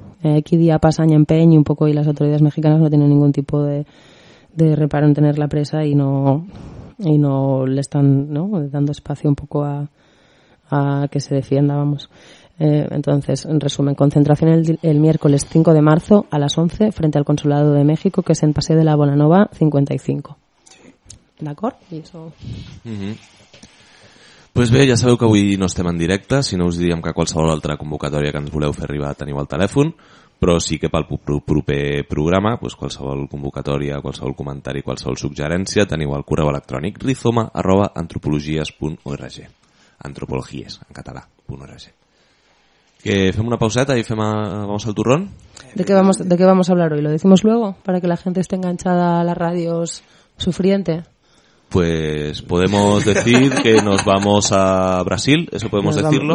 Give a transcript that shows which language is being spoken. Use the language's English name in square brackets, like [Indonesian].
[Spanish] Aquí día pasa año empeño un poco y las autoridades mexicanas no tienen ningún tipo de reparo en tenerla presa y no le están, ¿no?, dando espacio un poco a que se defienda, vamos. Entonces, en resumen, concentración el miércoles 5 de marzo a las 11 frente al Consulado de México, que es en Paseo de la Bonanova 55. [Catalan] Sí. ¿D'acord? I eso... Pues bé, ja sabeu que avui no estem en directe, si no us diríem que qualsevol altra convocatòria que ens voleu fer arribar teniu al telèfon, però sí que pel proper programa, pues qualsevol convocatòria, qualsevol comentari, qualsevol suggerència, teniu al correu electrònic rizoma@antropologies.org. Antropologies, en català, .org. Que fem una pauseta i fem [Spanish] vamos al turrón. ¿De qué vamos a hablar hoy? ¿Lo decimos luego? Para que la gente esté enganchada a las radios sufriente. Pues podemos decir que nos vamos a Brasil, eso podemos decirlo.